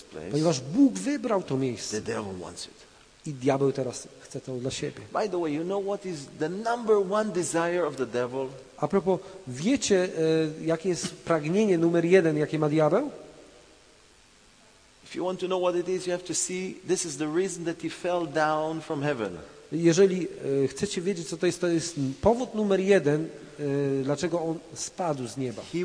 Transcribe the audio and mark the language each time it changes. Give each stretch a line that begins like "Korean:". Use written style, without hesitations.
Polish: Ponieważ Bóg wybrał to miejsce. I diabeł teraz chce to dla siebie.
English: By the way, you know what is the number one desire of the devil?
Polish: A propos, wiecie, jakie jest pragnienie numer jeden, jakie ma diabeł?
English: If you want to know what it is, you have to see this is the reason that he fell down from heaven.
Polish: Jeżeli chcecie wiedzieć, co to jest powód numer jeden, dlaczego on spadł z nieba.